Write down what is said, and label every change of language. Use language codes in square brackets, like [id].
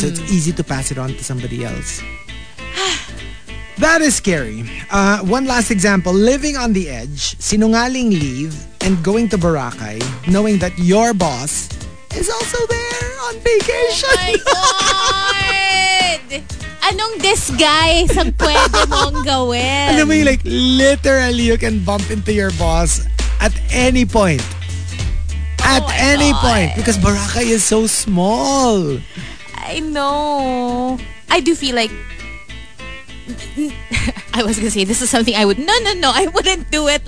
[en] So it's easy to pass it on to somebody else. That is scary. One last example. Living on the edge, sinungaling leave, and going to Boracay, knowing that your boss is also there on vacation. Oh my God! [tl] Anong disguise ang pwede mong gawin? Alam mo yung [en] like, literally, you can bump into your boss at any point. At any point. Because Boracay is so small. I know. I do feel like, I was gonna say, this is something I would, no, I wouldn't do it.